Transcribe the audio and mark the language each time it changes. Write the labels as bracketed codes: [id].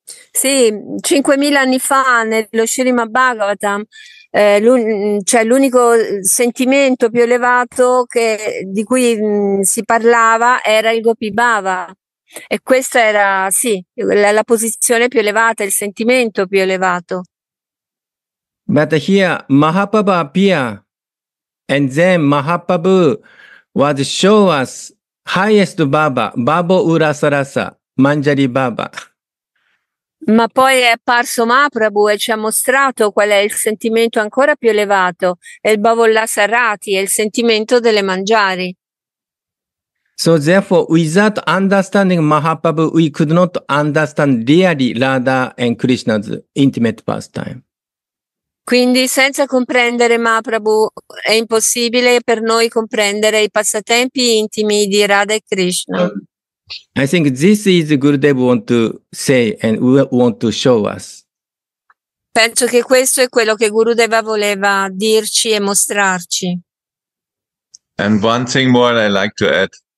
[it] Sì, 5,000 anni fa nello Srimad Bhagavatam c'è l'unico sentimento più elevato di cui si parlava era il Gopi Baba. E questa era, sì, la posizione più elevata, il sentimento più elevato. [en] But here, Mahaprabhu appeared, and then Mahaprabhu was show us highest Baba, Babo Urasarasa, Manjari Baba. [it] Ma poi è apparso Mahaprabhu e ci ha mostrato qual è il sentimento ancora più elevato, è il Babo Urasarati, è il sentimento delle Manjari. [en] So therefore, without understanding Mahaprabhu, we could not understand really Radha and Krishna's intimate pastime. [it] Quindi, senza comprendere Mahaprabhu, è impossibile per noi comprendere i passatempi intimi di Radha e Krishna. [en] I think this is Gurudev want to say and we want to show us. [it] Penso che questo è quello che Gurudeva voleva dirci e mostrarci. [en] And one thing more I like to add.